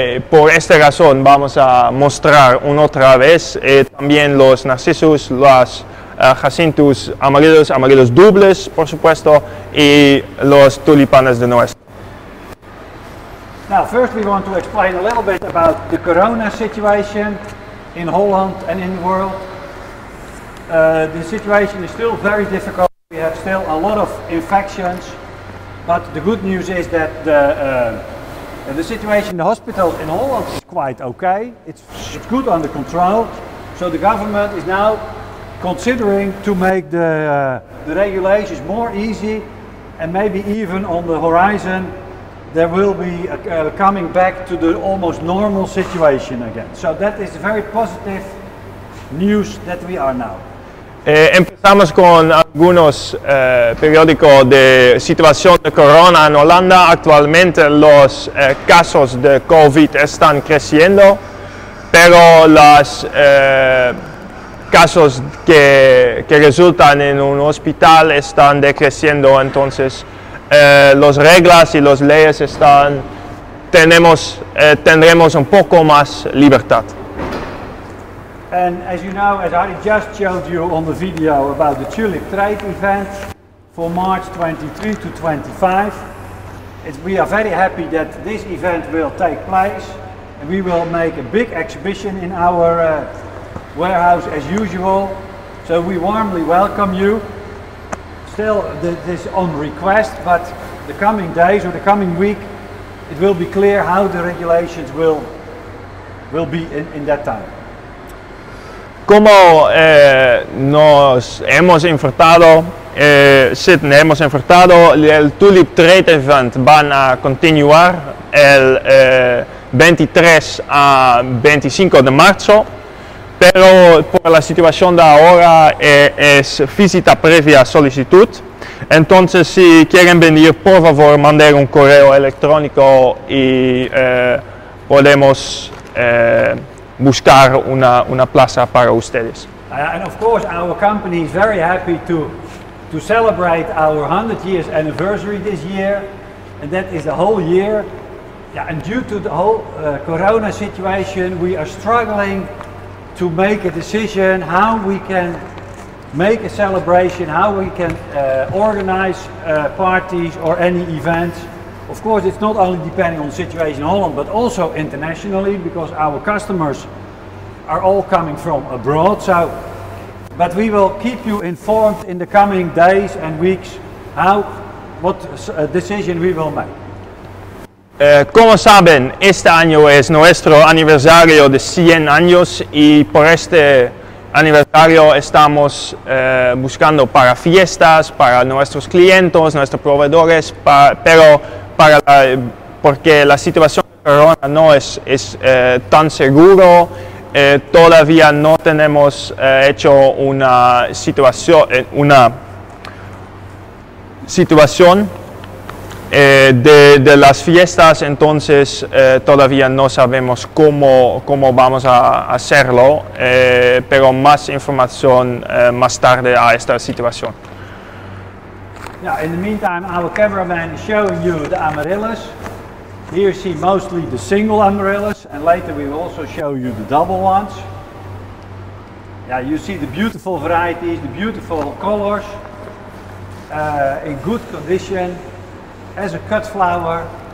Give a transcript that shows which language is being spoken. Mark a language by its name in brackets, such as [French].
[Spanish] Por esta razón vamos a mostrar una otra vez también los Narcissus, los Jacinthus Amaryllis, Amaryllis dubles por supuesto y los tulipanes de nuestro. [English] Now first we want to explain a little bit about the corona situation in Holland and in the world. The situation is still very difficult, we have still a lot of infections, but the good news is that the situation in the hospitals in Holland is quite okay, it's good under control, so the government is now considering to make the regulations more easy, and maybe even on the horizon there will be a coming back to the almost normal situation again. So that is very positive news that we are now. [Spanish] Empezamos con algunos periódicos de situación de corona en Holanda. Actualmente los casos de COVID están creciendo, pero los casos que resultan en un hospital están decreciendo. Entonces, las reglas y las leyes están. Tendremos un poco más libertad. [English] And as you know, as I just showed you on the video about the tulip trade event for March 23 to 25, we are very happy that this event will take place and we will make a big exhibition in our warehouse as usual. So we warmly welcome you. Still, this on request, but the coming days or the coming week, it will be clear how the regulations will be in that time. [Spanish] Como nos hemos enfrentado, el Tulip Trade Event van a continuar el 23 a 25 de marzo, pero por la situación de ahora es visita previa solicitud. Entonces, si quieren venir, por favor, manden un correo electrónico y podemos buscar una plaza para ustedes. [English] And of course our company is very happy to celebrate our 100 years anniversary this year, and that is the whole year. Yeah, and due to the whole corona situation we are struggling to make a decision how we can make a celebration, how we can organize parties or any events. Of course it's not only depending on the situation in Holland but also internationally, because our customers are all coming from abroad. So, but we will keep you informed in the coming days and weeks what decision we will make. [Spanish] Como saben, este año es nuestro aniversario de 100 años y por este aniversario estamos buscando para fiestas, para nuestros clientes, nuestros proveedores, pero para la porque la situación de corona no es tan seguro. Todavía no tenemos hecho una situación de las fiestas, entonces todavía no sabemos cómo vamos a hacerlo, pero más información más tarde a esta situación. [English] Yeah, in the meantime, our cameraman is showing you the amaryllis. Here you see mostly the single amaryllis, and later we will also show you the double ones. Yeah, you see the beautiful varieties, the beautiful colors, in good condition, as a cut flower.